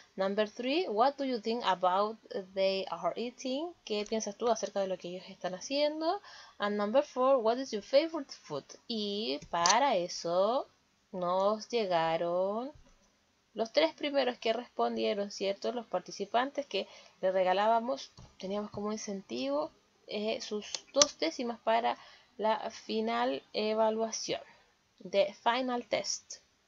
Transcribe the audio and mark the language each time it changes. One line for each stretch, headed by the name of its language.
English: Number three, what do you think about they are eating?
Spanish: ¿Qué piensas tú acerca de lo que ellos están haciendo?
English: And number four, what is your favorite food?
Spanish: Y para eso nos llegaron los tres primeros que respondieron, ¿cierto? Los participantes que le regalábamos, teníamos como incentivo sus dos décimas para la final evaluación,
English: the final test.